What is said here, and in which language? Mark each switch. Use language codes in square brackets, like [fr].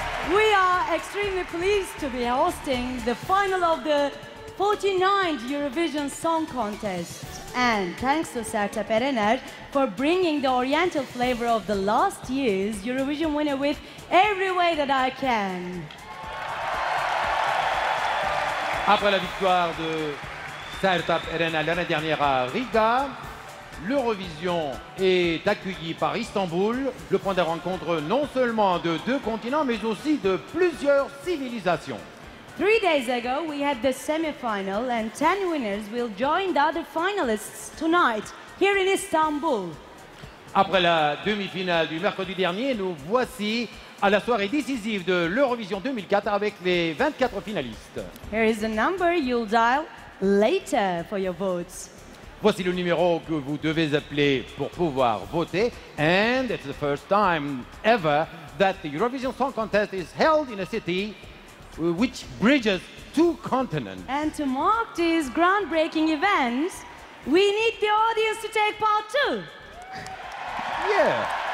[en] We are extremely pleased to be hosting the final of the 49th Eurovision Song Contest. And thanks to Sertab Erener for bringing the oriental flavor of the last year's Eurovision winner with every way that I can. [fr] Après la victoire de Sertab Erener l'année dernière à Riga, l'Eurovision est accueillie par Istanbul, le point de rencontre non seulement de deux continents, mais aussi de plusieurs civilisations. [en] 3 days ago, we had the semi-final, and 10 winners will join the other finalists tonight, here in Istanbul. [fr] Après la demi-finale du mercredi dernier, nous voici à la soirée décisive de l'Eurovision 2004 avec les 24 finalistes. [en] Here is the number you'll dial later for your votes. [fr] Voici le numéro que vous devez appeler pour pouvoir voter. [en] And it's the first time ever that the Eurovision Song Contest is held in a city which bridges two continents. And to mark this groundbreaking event, we need the audience to take part too. Yeah.